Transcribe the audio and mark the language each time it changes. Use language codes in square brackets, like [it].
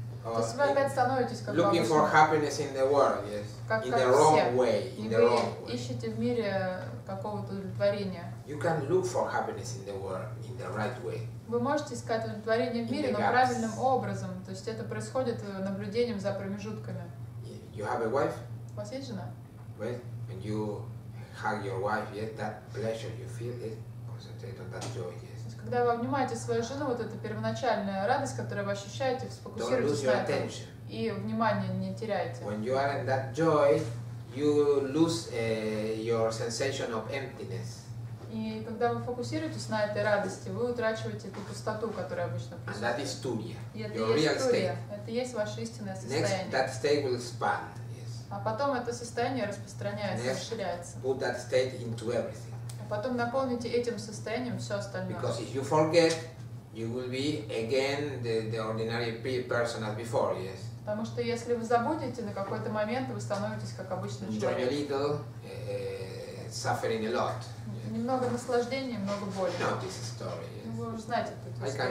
[en] Looking for happiness in the world, yes, in the wrong way, [ru] Ищете в мире какого-то удовлетворения. [en] You can look for happiness in the world in the right way. [ru] Вы можете искать удовлетворение в мире, но правильным образом. То есть это происходит наблюдением за промежутками. [en] You have a wife? [ru] У вас есть жена? [en] Well, when you hug your wife, yes, that pleasure you feel is concentrated on that joy. [ru] Когда вы обнимаете свою жену, вот эта первоначальная радость, которую вы ощущаете, сфокусируйтесь на этом. И внимание не теряйте. [en] When you are in that joy, you lose your sensation of emptiness. [ru] И когда вы фокусируетесь на этой радости, вы утрачиваете эту пустоту, которая обычно присутствует. [en] And that is Turiya. Your real state. [ru] Это есть ваше истинное состояние. [en] Next, that state will expand. Yes. [ru] А потом это состояние распространяется, [en] Next, [ru] расширяется. [en] Put that state into everything. [ru] Потом наполните этим состоянием все остальное. [en] Because if you forget, you will be again the ordinary person as before, yes. [ru] Потому что если вы забудете, на какой-то момент вы становитесь как обычный человек. [en] Enjoy a little, suffering a lot. [ru] Немного наслаждения, много боли. [en] Know this story, yes. [ru] Вы уже знаете эту историю.